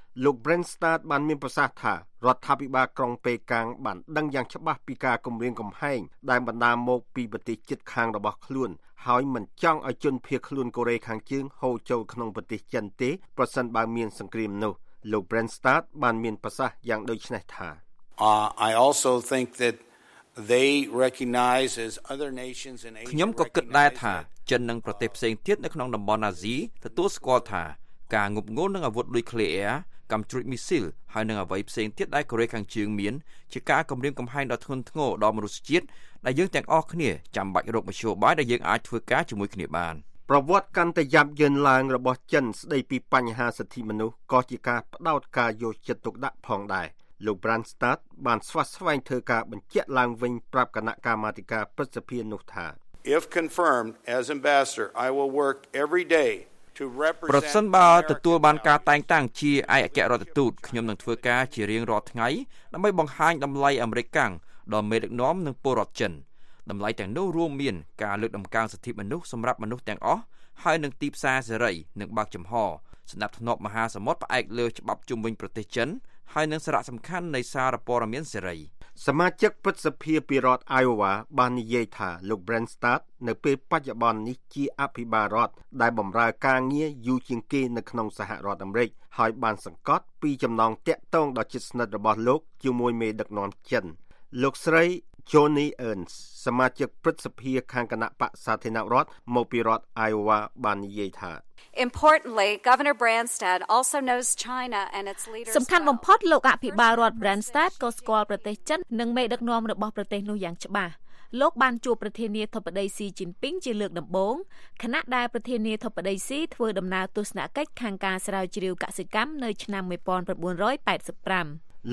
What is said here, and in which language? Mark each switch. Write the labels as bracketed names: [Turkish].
[Khmer] លោក Branstad បានមានប្រសាសន៍ថារដ្ឋាភិបាលក្រុងប៉េកាំងបានដឹងយ៉ាងច្បាស់ពីការគម្រាមកំហែងដែលបណ្ដាលមកពីប្រទេសជិតខាងរបស់ខ្លួនហើយមិនចង់ឲ្យជនភៀសខ្លួនកូរ៉េខាងជើងហូរចូលក្នុងប្រទេសចិនទេប្រសិនបើមានសង្គ្រាមនោះលោក Branstad បានមានប្រសាសន៍យ៉ាងដូចនេះថា [English] I also think that they recognize as other nations in Asia [Khmer] ខ្ញុំក៏គិតដែរថាចិននិងប្រទេសផ្សេងទៀតនៅក្នុងតំបន់អាស៊ីទទួលស្គាល់ថាការងប់ងល់នឹងអាវុធដូចក្លេអ៊ែរកាំជ្រួចមីស៊ីលហើយនឹងអ្វីផ្សេងទៀតដែលកូរ៉េខាងជើងមានជាការគម្រាមកំហែងដល់ធនធ្ងរដល់មនុស្សជាតិដែលយើងទាំងអស់គ្នាចាំបាច់រកមធ្យោបាយដែលយើងអាចធ្វើការជាមួយគ្នាបាន ប្រវត្តិកាន់តែយ៉ាប់យ៉ឺនឡើងរបស់ចិនស្ដីពីបញ្ហាសិទ្ធិមនុស្សក៏ជាការផ្ដោតការយកចិត្តទុកដាក់ផងដែរលោក Branstad បានស្វាស្វែងធ្វើការបញ្ជាក់ឡើងវិញប្រាប់គណៈកម្មាធិការប្រសិទ្ធិនោះថា [English] If confirmed as ambassador I will work every day [Khmer] ប្រសិនបើទទួលបានការតែងតាំងជាឯកអគ្គរដ្ឋទូតខ្ញុំនឹងធ្វើការជារៀងរាល់ថ្ងៃដើម្បីបង្ហាញតម្លៃអាមេរិកកាំងដល់មេដឹកនាំនិងពលរដ្ឋចិនតម្លៃទាំងនោះរួមមានការលើកតម្កើងសិទ្ធិមនុស្សសម្រាប់មនុស្សទាំងអស់ហើយនឹងទីផ្សារសេរីនិងបើកចំហស្នាប់ធ្នាប់មហាសមុទ្រផ្អែកលើច្បាប់ជុំវិញប្រទេសចិនហើយនឹងសារៈសំខាន់នៃសារព័ត៌មានសេរី សមាជិកព្រឹទ្ធសភាពីរដ្ឋ Iowa បាននិយាយថាលោក Branstad នៅពេលបច្ចុប្បន្ននេះជាអភិបាលរដ្ឋដែលបម្រើការងារយូរជាងគេនៅក្នុងសហរដ្ឋអាមេរិកហើយបានសង្កត់ពីចំណងតាក់ទងដ៏ជិតស្និទ្ធរបស់លោកជាមួយមេដឹកនាំចិនលោកស្រី Johnny Ernst សមាជិកព្រឹទ្ធសភាខាងគណៈបកសាធារណរដ្ឋមកពីរដ្ឋ Iowa បាននិយាយថា [English] Importantly, Governor Branstad also knows China and its leaders. [Khmer] សំខាន់បំផុតលោកអភិបាលរដ្ឋ Branstad ក៏ស្គាល់ប្រទេសចិននិងមេដឹកនាំរបស់ប្រទេសនោះយ៉ាងច្បាស់លោកបានជួបប្រធានាធិបតីស៊ីជីនពីងជាលើកដំបូងខណៈដែលប្រធានាធិបតីស៊ីធ្វើដំណើរទស្សនកិច្ចខាងការស្រាវជ្រាវកសិកម្មនៅឆ្នាំ1985